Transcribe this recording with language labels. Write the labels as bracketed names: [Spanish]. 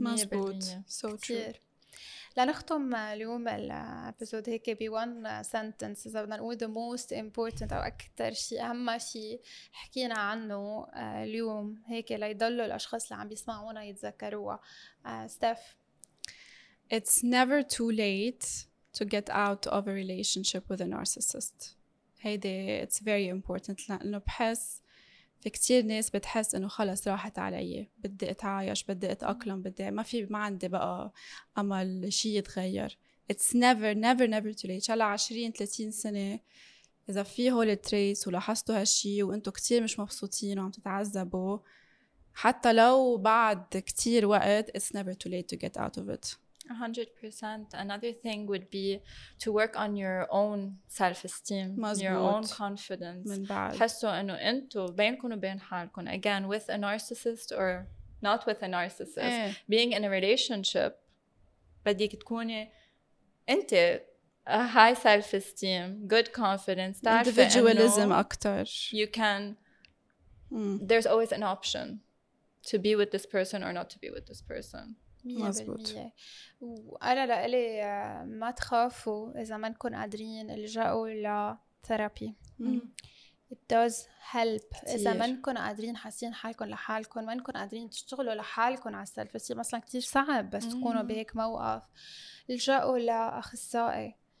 [Arabic] مزبوط. so كتير. [English] true. [Arabic] لنختم اليوم الابيزود هيك بـ one sentence، إذا بدنا نقول the most important أو أكتر شيء أهم شيء حكينا عنه اليوم هيك ليضلوا الأشخاص اللي عم بيسمعونا يتذكروها. ستيف، [English] It's never too late to get out of a relationship with a narcissist. [Arabic] هيدي it's very important، لأنه بحس في كتير ناس بتحس انه خلص راحت علي، بدي اتعايش، بدي اتأقلم، بدي ما في، ما عندي بقى امل شيء يتغير. [English] It's never never never too late. [Arabic] على 20-30 سنة اذا في هول التريس ولاحظتوا هالشي وانتو كتير مش مبسوطين وعم تتعذبوا، حتى لو بعد كتير وقت، It's never too late to get out of it. 100%. [English] Another thing would be to work on your own self-esteem, [Arabic] مزبوط. [English] Your own confidence. [Arabic] من بعد. حسوا انه انتو بينكم وبين حالكم. [English] Again, with a narcissist or not with a narcissist. Being in a relationship, بديك تكوني انت a high self-esteem, good confidence. Individualism اكتر. You can, there's always an option to be with this person or not to be with this person. [Arabic] مزبوط. وانا لقلي ما تخافوا اذا ما نكون قادرين الجأوا لثيرابي. [English] It does help. [Arabic] اذا ما نكون قادرين حاسين حالكم لحالكم، ما نكون قادرين تشتغلوا لحالكم على السلف، بس مثلا كتير صعب بس تكونوا بهيك موقف، الجأوا لأخصائي.